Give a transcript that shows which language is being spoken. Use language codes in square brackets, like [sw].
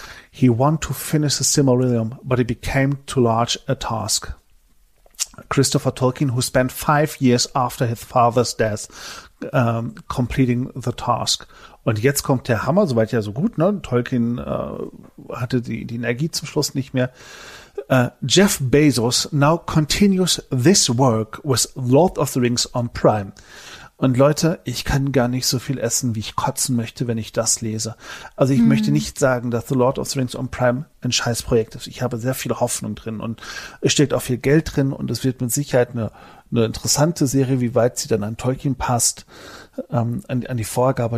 [en] He wanted to finish the Silmarillion, but it became too large a task. Christopher Tolkien, who spent 5 years after his father's death completing the task. [de] Und jetzt kommt der Hammer, soweit ja so gut, ne? Tolkien hatte die Energie zum Schluss nicht mehr. [en] Jeff Bezos now continues this work with Lord of the Rings on Prime. [de] Und Leute, ich kann gar nicht so viel essen, wie ich kotzen möchte, wenn ich das lese. Also ich möchte nicht sagen, dass The Lord of the Rings on Prime ein scheiß Projekt ist. Ich habe sehr viel Hoffnung drin und es steckt auch viel Geld drin und es wird mit Sicherheit eine interessante Serie, wie weit sie dann an Tolkien passt, an die Vorgabe.